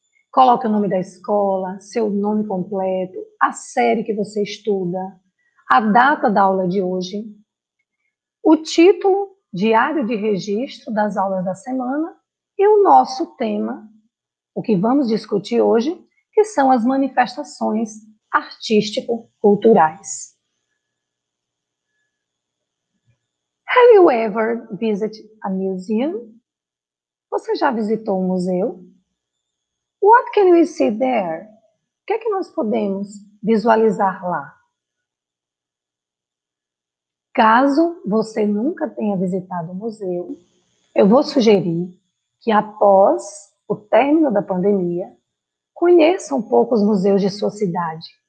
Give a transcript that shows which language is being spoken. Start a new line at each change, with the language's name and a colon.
Portuguese: Coloque o nome da escola, seu nome completo, a série que você estuda, a data da aula de hoje, o título, diário de registro das aulas da semana e o nosso tema, o que vamos discutir hoje, que são as manifestações artístico-culturais.
English: Have you ever visited a museum?
Portuguese: Você já visitou um museu?
English: What can we see there?
Portuguese: O que é que nós podemos visualizar lá? Caso você nunca tenha visitado um museu, eu vou sugerir que após o término da pandemia, conheça um pouco os museus de sua cidade.